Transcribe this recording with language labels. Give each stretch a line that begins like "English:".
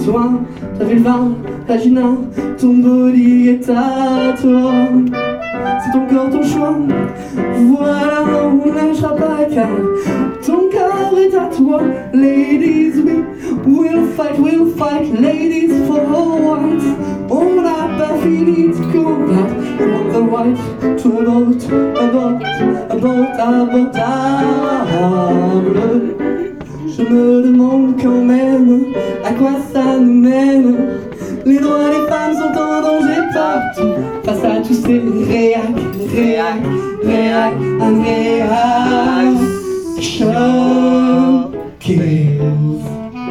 French: Toi, ta vulva, ta gyna, ton body est à toi. C'est ton corps, ton choix. Voilà, on lâchera pas car ton corps est à toi.
English: Ladies, we will fight, ladies for all rights.
French: On n'a pas fini de combattre.
English: We want the right to abort, abort, abort, abortable.
French: Je me demande quand même à quoi ça nous mène. Les droits des femmes sont en danger partout. Face à tous ces réacs, réacs, réacs, un réaction. Kills.